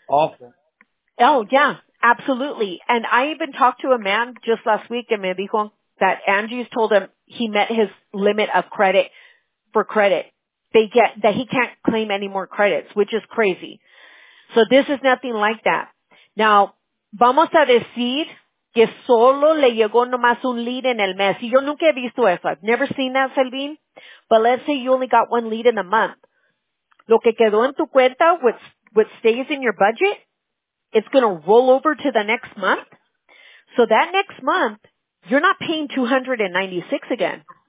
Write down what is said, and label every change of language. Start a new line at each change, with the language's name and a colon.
English: awful. Oh, yeah, absolutely. And I even talked to a man just last week in Medico that Angie's told him he met his limit of credit for credit. They get that he can't claim any more credits, which is crazy. So this is nothing like that.
Spanish: Now, vamos a decir que solo le llegó nomás un lead en el mes. Y yo nunca he visto eso.
English: I've never seen that,
Spanish: Selvin.
English: But let's say you only got one lead in a month.
Spanish: Lo que quedó en tu cuenta,
English: what stays in your budget, it's going to roll over to the next month. So that next month, you're not paying $296 again.